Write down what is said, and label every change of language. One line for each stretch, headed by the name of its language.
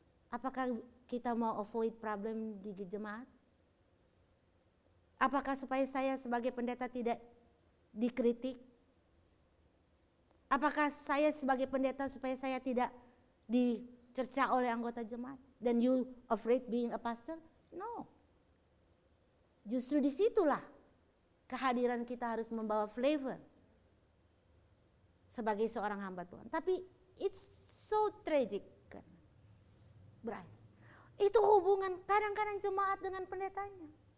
Indonesian: Apakah kita mau
English: avoid problem
Indonesian: di jemaat? Apakah supaya saya sebagai pendeta tidak dikritik? Apakah saya sebagai pendeta supaya saya tidak dicerca oleh anggota jemaat?
English: Then you afraid being a pastor? No.
Indonesian: Justru disitulah kehadiran kita harus membawa flavor sebagai seorang hamba Tuhan.
English: Tapi it's so tragic. Right.
Indonesian: Itu hubungan kadang-kadang jemaat dengan pendetanya.